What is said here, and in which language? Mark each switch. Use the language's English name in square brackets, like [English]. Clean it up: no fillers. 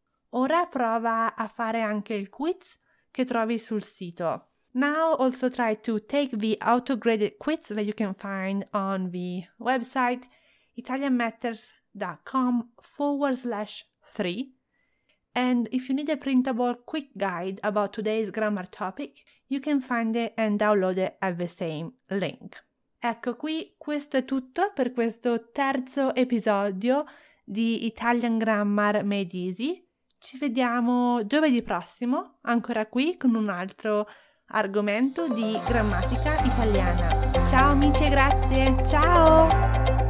[Italian] Ora prova a fare anche il quiz che trovi sul sito. [English] Now also try to take the auto-graded quiz that you can find on the website italianmatters.com/3. And if you need a printable quick guide about today's grammar topic, you can find it and download it at the same link. [Italian] Ecco qui, questo è tutto per questo terzo episodio di Italian Grammar Made Easy. Ci vediamo giovedì prossimo, ancora qui, con un altro argomento di grammatica italiana. Ciao amici, grazie, ciao!